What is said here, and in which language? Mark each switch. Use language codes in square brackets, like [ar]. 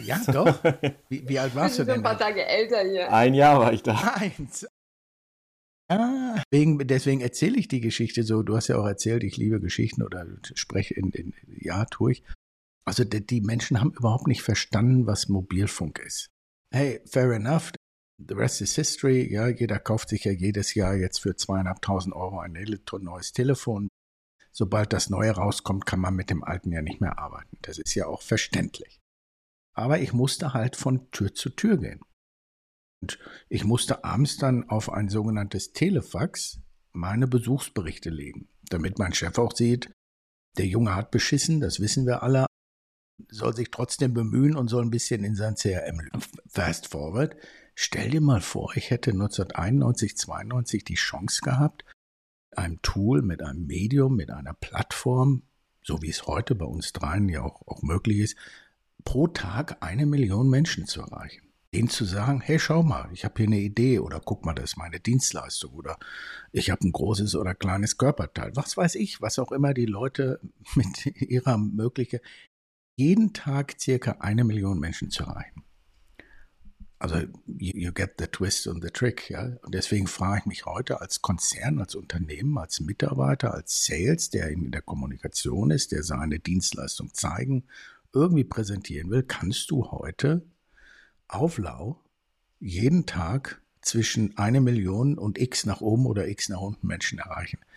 [de] Ja, doch. Wie alt warst du denn? Ich bin ein paar Tage älter hier. Ein Jahr war ich da. Eins. Ah, deswegen erzähle ich die Geschichte so. Du hast ja auch erzählt, ich liebe Geschichten oder spreche in ja, tue ich. Also die Menschen haben überhaupt nicht verstanden, was Mobilfunk ist. [en] Hey, fair enough, the rest is history. [de] Ja, jeder kauft sich ja jedes Jahr jetzt für 2.500 Euro ein neues Telefon. sobald das Neue rauskommt, kann man mit dem Alten ja nicht mehr arbeiten. Das ist ja auch verständlich. Aber ich musste halt von Tür zu Tür gehen. Und ich musste abends dann auf ein sogenanntes Telefax meine Besuchsberichte legen, damit mein Chef auch sieht, der Junge hat beschissen, das wissen wir alle, soll sich trotzdem bemühen und soll ein bisschen in sein CRM. [en] Fast forward, [de] stell dir mal vor, ich hätte 1991, 92 die Chance gehabt, einem Tool, mit einem Medium, mit einer Plattform, so wie es heute bei uns dreien ja auch möglich ist, pro Tag 1 Million Menschen zu erreichen. Denen zu sagen, hey, schau mal, ich habe hier eine Idee oder guck mal, das ist meine Dienstleistung oder ich habe ein großes oder kleines Körperteil. Was weiß ich, was auch immer die Leute mit ihrer Möglichkeit, jeden Tag circa 1 Million Menschen zu erreichen. [en] Also you get the twist and the trick. [de] Ja? Und deswegen frage ich mich heute als Konzern, als Unternehmen, als Mitarbeiter, als Sales, der in der Kommunikation ist, der seine Dienstleistung zeigen, irgendwie präsentieren will, kannst du heute auf Lau jeden Tag zwischen 1 Million und x nach oben oder x nach unten Menschen erreichen.